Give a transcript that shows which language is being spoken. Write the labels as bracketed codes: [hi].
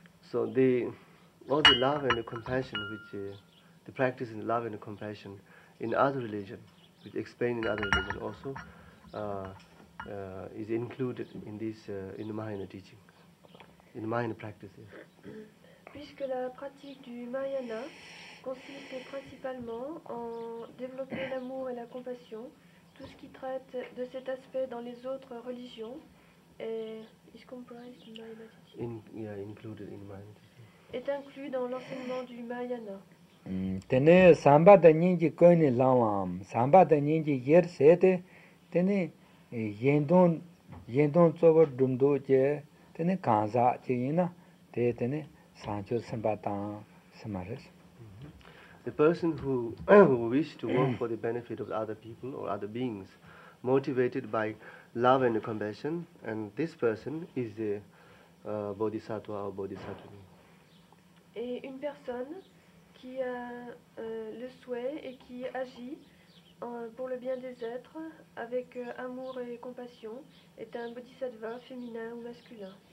[en] So the all the love and the compassion, which the practice in love and the compassion in other religion, which explained in other religion also, is included in this in the Mahayana teaching, in the Mahayana practices. [fr] Puisque la pratique du Mahayana consiste principalement en développer l'amour et la compassion. Tout ce qui traite de cet aspect dans les autres religions [en] is comprised in Mahayana teaching. Yeah, included in Mahayana teaching. [fr] Est inclus dans l'enseignement du Mahayana. Tene samba de nyingi koni lawam, samba de nyingi yer sete, tene yendon tsobo dumdo je, tene kanza je yina, tene sancho sambata samaris. [en] The person who wish to work for the benefit of other people or other beings, motivated by love and compassion, and this person is the bodhisattva or bodhisattva. [fr] Et une personne qui a le souhait et qui agit pour le bien des êtres avec amour et compassion est un bodhisattva féminin ou masculin.